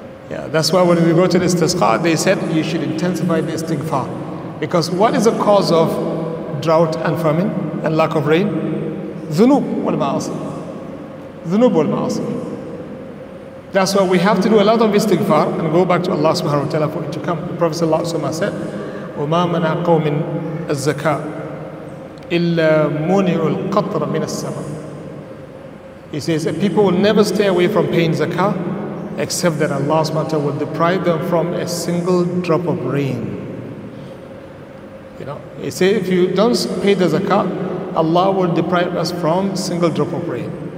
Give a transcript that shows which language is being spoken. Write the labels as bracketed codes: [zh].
[en] Yeah, that's why when we go to the istisqa, they said you should intensify the istighfar. Because what is the cause of drought and famine and lack of rain? [ar] Dhunub wal ma'asi. Dhunub wal ma'asi. [en] That's why we have to do a lot of istighfar and go back to Allah subhanahu wa ta'ala for it to come. The Prophet sallallahu alayhi wa sallam said, [ar] وَمَا مَنَعَ قَوْمٍ الزَّكَاءَ إِلَّا مُنِعُ الْقَطْرَ مِنَ السَّمَاءِ. [en] He says that people will never stay away from paying zakah except that Allah subhanahu wa ta'ala will deprive them from a single drop of rain. He says, if you don't pay the zakah, Allah will deprive us from single drop of rain.